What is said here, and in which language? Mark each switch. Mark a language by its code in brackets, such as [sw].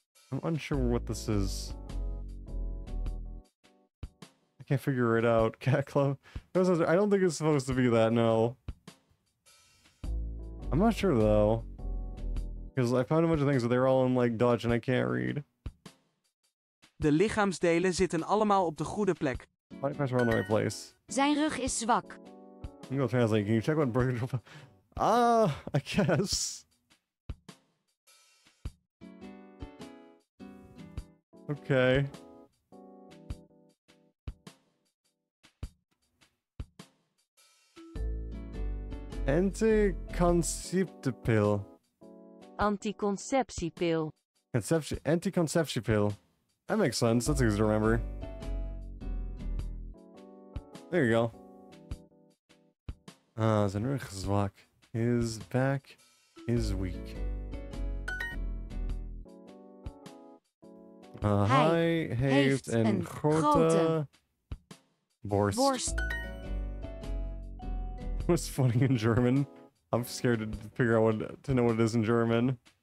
[en] I'm unsure what this is. I can't figure it out. Cat Club? I don't think it's supposed to be that, no. I'm not sure though, because I found a bunch of things, but they're all in like Dutch, and I can't read. [nl] De lichaamsdelen zitten allemaal op de goede plek. [en] Body parts are on the right place. [nl] Zijn rug is zwak. [en] I'm gonna translate. Can you check what burger? I guess. Okay. [nl] Anticonceptiepil. Anticonceptiepil. [en] Anticonceptiepil. That makes sense. That's easy to remember. There you go. [nl] Zijn rug is zwak. [en] His back is weak. [nl] Hij heeft een grote borst. [en] What's funny in German? I'm scared to figure out to know what it is in German.